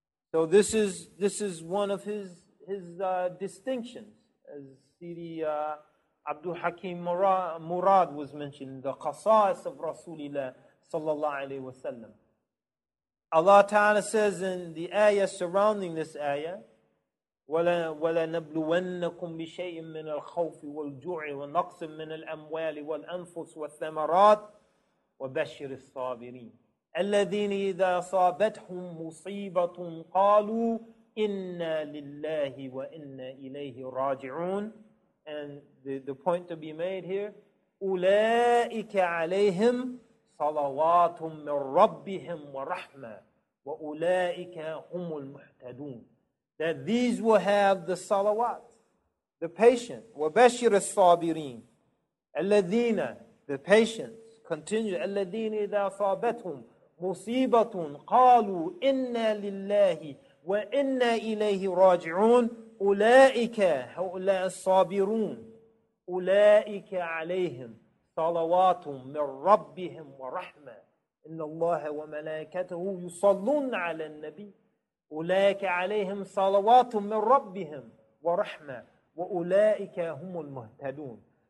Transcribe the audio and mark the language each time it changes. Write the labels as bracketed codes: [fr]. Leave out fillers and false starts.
[en] So this is one of his distinctions, as Sidi Abdul Hakim Murad was mentioning, the qasas of Rasulullah sallallahu alaihi wasallam. Allah Ta'ala says in the ayah surrounding this ayah, [ar] وَلَنَبْلُوَنَّكُمْ بِشَيْءٍ مِّنَ الْخَوْفِ وَالْجُوعِ وَنَقْصٍ مِّنَ الْأَمْوَالِ وَالْأَنفُسِ وَالثَّمَرَاتِ وَبَشِّرِ الصَّابِرِينَ الَّذِينَ إِذَا أَصَابَتْهُم مُّصِيبَةٌ قَالُوا إِنَّا لِلَّهِ وَإِنَّا إِلَيْهِ رَاجِعُونَ. [en] And the point to be made here, [ar] أُولَٰئِكَ عَلَيْهِمْ صَلَوَاتٌ مِّن رَّبِّهِمْ وَرَحْمَةٌ وَأُولَٰئِكَ هُمُ الْمُهْتَدُونَ. [en] That these will have the salawat, the patient. [ar] وَبَشِّرِ الصَّابِرِينَ الَّذِينَ, [en] the patients, continue. [ar] الَّذِينَ إِذَا صَابَتْهُمْ مُصِيبَةٌ قَالُوا إِنَّا لِلَّهِ وَإِنَّا إِلَيْهِ رَاجِعُونَ أُولَٰئِكَ هَؤُلَاءِ الصَّابِرُونَ أُولَٰئِكَ عَلَيْهِمْ صَلَوَاتٌ مِّن رَّبِّهِمْ وَرَحْمَةٌ إِنَّ اللَّهَ وَمَلَائِكَتَهُ يُصَلُّونَ عَلَى النَّبِيِّ أُولَٰئِكَ عَلَيْهِمْ صَلَوَاتٌ مِّن رَبِّهِمْ وَرَحْمَةٌ وَأُولَٰئِكَ هُمُ الْمُهْتَدُونَ.